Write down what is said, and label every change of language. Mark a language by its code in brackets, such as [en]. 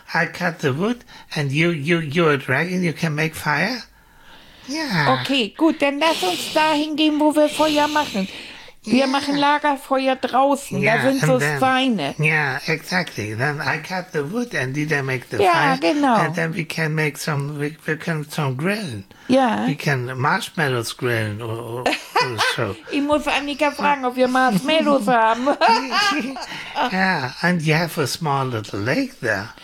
[en] I cut the wood and you're a dragon. You can make fire? Yeah. [de] Okay, gut. Dann lass uns da hingehen, wo wir Feuer machen. Wir machen Lagerfeuer draußen. [en] Yeah, [de] da sind so Schweine. [en] Yeah, exactly. Then I cut the wood and Dieter make the fire. [de] genau. [en] And then we can make some, we can some grillen. Yeah. We can marshmallows grillen or so. [de] Ich muss Annika fragen, ob wir Marshmallows haben. [en] Yeah, and you have a small little lake there.